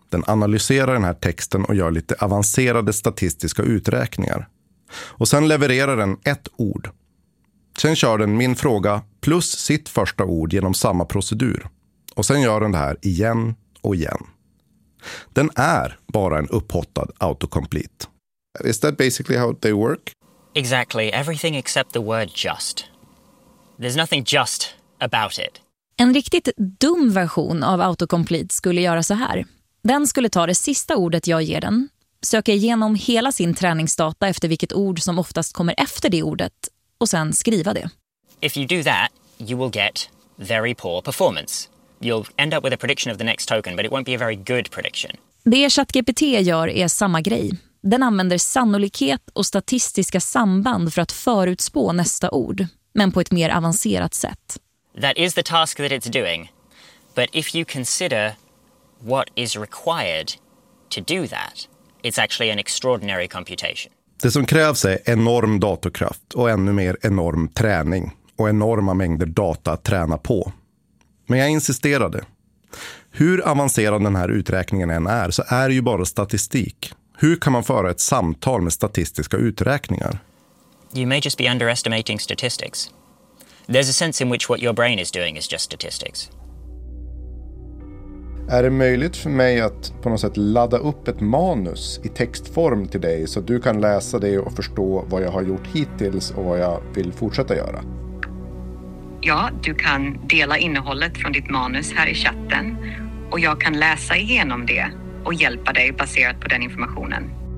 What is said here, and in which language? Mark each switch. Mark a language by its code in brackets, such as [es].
[sv] Den analyserar den här texten och gör lite avancerade statistiska uträkningar. Och sen levererar den ett ord. Sen kör den min fråga plus sitt första ord genom samma procedur. Och sen gör den det här igen och igen. Den är bara en upphottad autocomplete. [en] Is that basically how they work? Exactly. Everything except the word just. There's nothing just about it. [sv] En riktigt dum version av autocomplete skulle göra så här. Den skulle ta det sista ordet jag ger den, söka igenom hela sin träningsdata efter vilket ord som oftast kommer efter det ordet och sen skriva det. [en] If you do that, you will get very poor performance. You'll end up with a prediction of the next token, but it won't be a very good prediction. [sv] Det ChatGPT gör är samma grej. Den använder sannolikhet och statistiska samband för att förutspå nästa ord, men på ett mer avancerat sätt. [en] That is the task that it's doing. But if you consider what is required to do that, it's actually an extraordinary computation. [sv] Det som krävs är enorm datorkraft och ännu mer enorm träning och enorma mängder data att träna på. Men jag insisterade. Hur avancerad den här uträkningen än är, så är det ju bara statistik. Hur kan man föra ett samtal med statistiska uträkningar? [en] You may just be underestimating statistics. There's a sense in which what your brain is doing is just statistics. [sv] Är det möjligt för mig att på något sätt ladda upp ett manus i textform till dig så att du kan läsa det och förstå vad jag har gjort hittills och vad jag vill fortsätta göra? Ja, du kan dela innehållet från ditt manus här i chatten och jag kan läsa igenom det och hjälpa dig baserat på den informationen.